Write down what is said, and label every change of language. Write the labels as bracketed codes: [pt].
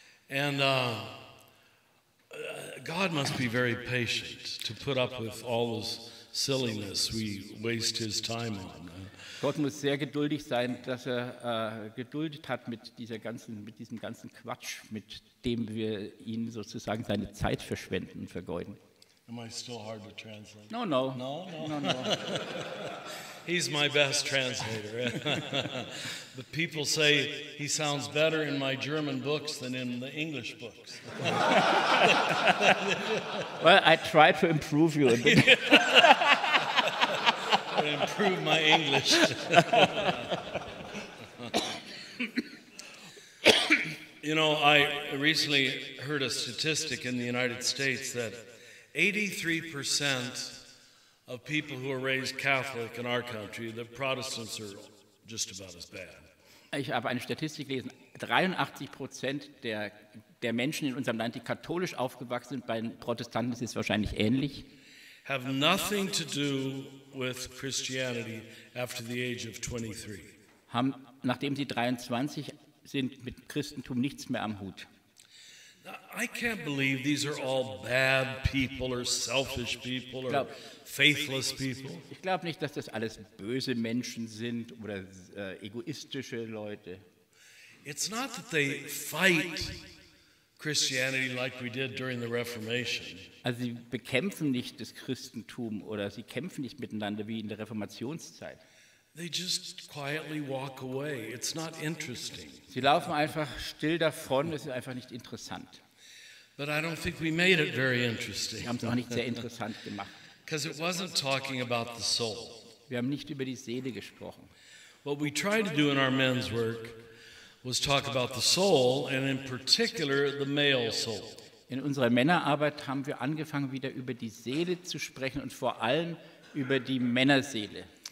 [en] And God must be very patient to put up with all this silliness we waste his time on. [de] Gott muss sehr geduldig sein, dass er geduldet hat mit diesem ganzen Quatsch, mit dem wir ihn sozusagen seine Zeit verschwenden, vergeuden. [en] Am I still hard to translate? No, no. No, no. No, no. He's my best translator. The people say he sounds better in my German books than in the English books. Well, I try to improve you a bit. I improve my English. You know, I recently heard a statistic in the United States that 83% of people who are raised Catholic in our country, the Protestants are just about as bad. [de] Ich habe eine Statistik gelesen, 83% der Menschen in unserem Land, die katholisch aufgewachsen sind, bei den Protestanten ist es wahrscheinlich ähnlich. [en] Have nothing to do with Christianity after the age of 23. [de] Haben, nachdem sie 23 sind, mit Christentum nichts mehr am Hut. [en] I can't believe these are all bad people or selfish people or faithless people. [de] Ich glaube nicht, dass das alles böse Menschen sind oder egoistische Leute. [en] It's not that they fight Christianity like we did during the Reformation. [de] Also sie bekämpfen nicht das Christentum oder sie kämpfen nicht miteinander wie in der Reformationszeit. [en] They just quietly walk away. It's not interesting. [de] Sie laufen einfach still davon, es ist einfach nicht interessant. [en] But I don't think we made it very interesting. [de] Sie haben es auch nicht sehr interessant gemacht. [en] Because it wasn't talking about the soul. [de] Wir haben nicht über die Seele gesprochen. [en] What we tried to do in our men's work was talk about the soul and in particular the male soul. [de] In unserer Männerarbeit haben wir angefangen, wieder über die Seele zu sprechen und vor allem über die Männerseele.